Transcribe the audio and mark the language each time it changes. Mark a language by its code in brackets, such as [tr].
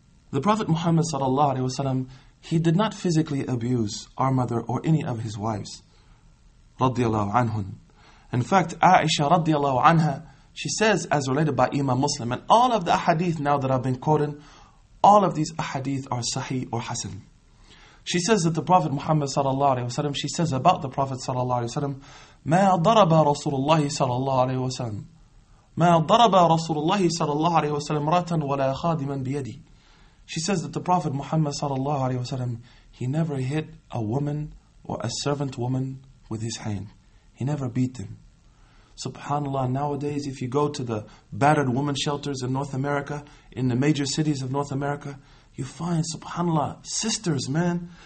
[en] The Prophet Muhammad sallallahu alaihi wasallam, he did not physically abuse our mother or any of his wives radiallahu anhun. In fact, Aisha radiallahu anha, she says, as related by Imam Muslim, and all of the ahadith now that I've been quoting, all of these ahadith are sahih or hasan. She says that the Prophet Muhammad sallallahu alaihi wasallam, [ar] she says about the Prophet sallallahu alaihi wasallam, مَا ضَرَبَ رَسُولُ اللَّهِ صَلَى اللَّهُ عَلَيْهِ وَسَلَمْ مَا ضَرَبَ رَسُولُ اللَّهِ صَلَى اللَّهُ عَلَيْهِ وَسَلَمْ رَتًا وَلَا خَادِمًا بِيَدِي. [en] She says that the Prophet Muhammad sallallahu alaihi wasallam, he never hit a woman or a servant woman with his hand. He never beat them. SubhanAllah, nowadays if you go to the battered woman shelters in North America, in the major cities of North America, you find, subhanAllah, sisters, man.